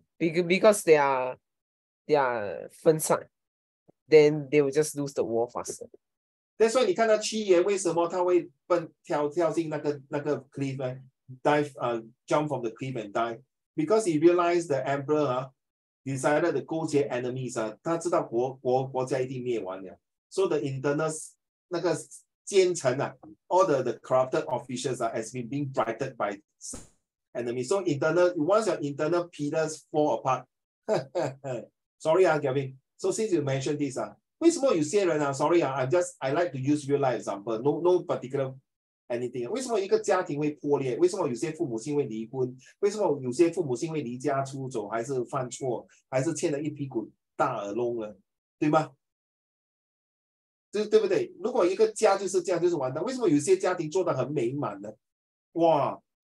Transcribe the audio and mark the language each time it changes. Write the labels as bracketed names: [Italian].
[English] Because they are 分散, then they will just lose the war faster. That's why [Chinese] 你看到七爷为什么他会跳进那个 [English] cliff, jump from the cliff and die. Because he realized the emperor decided to 勾结 enemies. [Chinese] 他知道国家一定灭亡了. [English] So the internal [Chinese] 那个奸臣, [English] all the corrupted officials has been being frighted by enemies. So internal, once your internal pillars fall apart. Sorry, Gavin. So since you mentioned this, I like to use real life example, no particular anything. [Chinese] 为什么一个家庭会破裂?为什么有些父母亲会离婚? 为什么有些父母亲会离家出走?还是犯错? 还是欠了一屁股大耳窿了?对吗?对不对? 如果一个家就是这样, 就是完蛋。为什么有些家庭做得很美满呢? 哇,